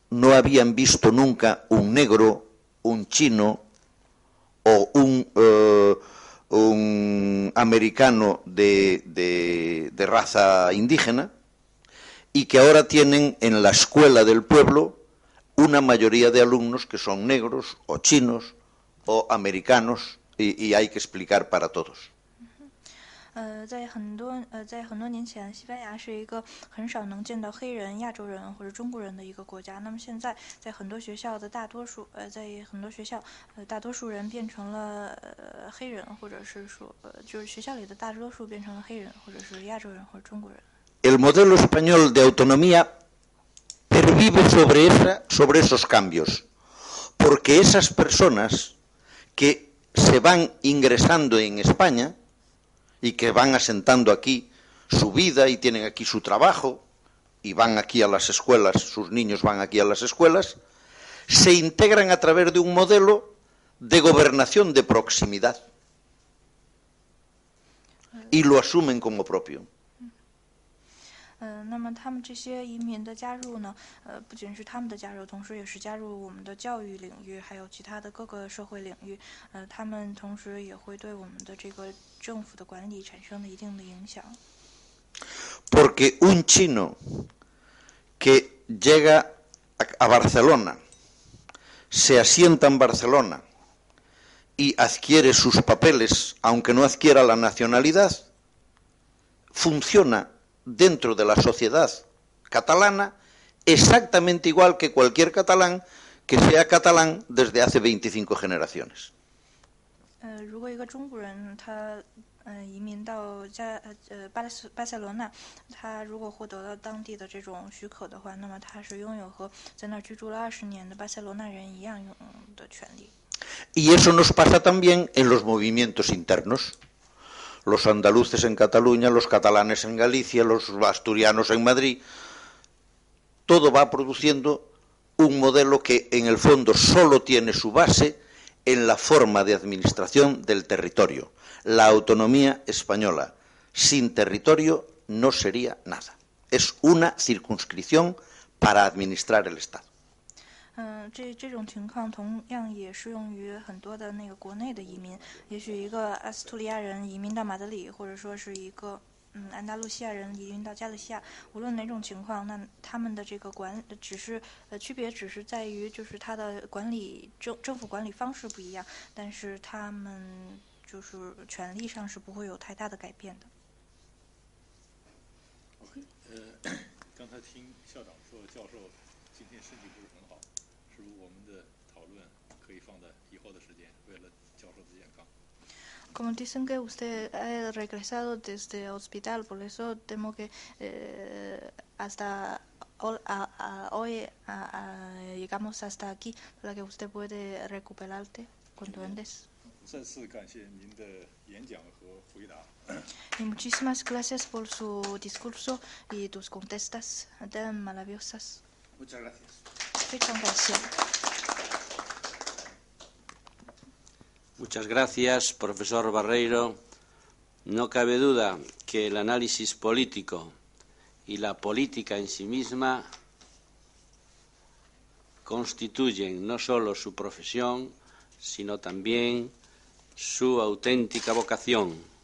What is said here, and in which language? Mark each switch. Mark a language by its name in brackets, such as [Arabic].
[Spanish] no habían visto nunca un negro, un chino o un americano de raza indígena, y que ahora tienen en la escuela del pueblo una mayoría de alumnos que son negros o chinos o americanos, y hay que explicar para todos. [Chinese] 在很多年前，西班牙是一个很少能见到黑人、亚洲人或者中国人的一个国家。那么现在，在很多学校的大多数，在很多学校，大多数人变成了黑人，或者是说，就是学校里的大多数变成了黑人，或者是亚洲人或者中国人。 [Spanish] El modelo español de autonomía pervive sobre esos cambios, porque esas personas que se van ingresando en España y que van asentando aquí su vida y tienen aquí su trabajo y van aquí a las escuelas, sus niños van aquí a las escuelas, se integran a través de un modelo de gobernación de proximidad y lo asumen como propio. [Chinese] 那么他们这些移民的加入呢，不仅是他们的加入，同时也是加入我们的教育领域，还有其他的各个社会领域。他们同时也会对我们的这个政府的管理产生了一定的影响。 [Spanish] Porque un chino que llega a Barcelona, se asienta en Barcelona y adquiere sus papeles, aunque no adquiera la nacionalidad, funciona dentro de la sociedad catalana exactamente igual que cualquier catalán que sea catalán desde hace 25 generaciones. [Chinese] 如果一个中国人他移民到巴塞罗那，他如果获得了当地的这种许可的话，那么他是拥有和在那居住了20年的巴塞罗那人一样拥有的权利。 [Spanish] Y eso nos pasa también en los movimientos internos. Los andaluces en Cataluña, los catalanes en Galicia, los asturianos en Madrid, todo va produciendo un modelo que en el fondo solo tiene su base en la forma de administración del territorio. La autonomía española sin territorio no sería nada. Es una circunscripción para administrar el Estado. [Chinese] 这种情况同样也适用于很多的那个国内的移民，也许一个阿斯图利亚人移民到马德里，或者说是一个安达卢西亚人移民到加利西亚，无论哪种情况，那他们的这个管只是区别只是在于就是他的管理政府管理方式不一样，但是他们就是权力上是不会有太大的改变的。刚才听校长说教授今天身体不是很好，我们的讨论可以放在以后的时间，为了教授的健康。 [Spanish] Como dicen que usted ha regresado desde el hospital, por eso temo que hasta hoy llegamos hasta aquí, para que usted pueda recuperarte cuanto antes. [Chinese] 再次感谢您的演讲和回答。 [Spanish] Y muchísimas gracias por su discurso y tus contestas tan maravillosas. Muchas gracias. Muchas gracias. Muchas gracias, profesor Barreiro. No cabe duda que el análisis político y la política en sí misma constituyen no solo su profesión, sino también su auténtica vocación.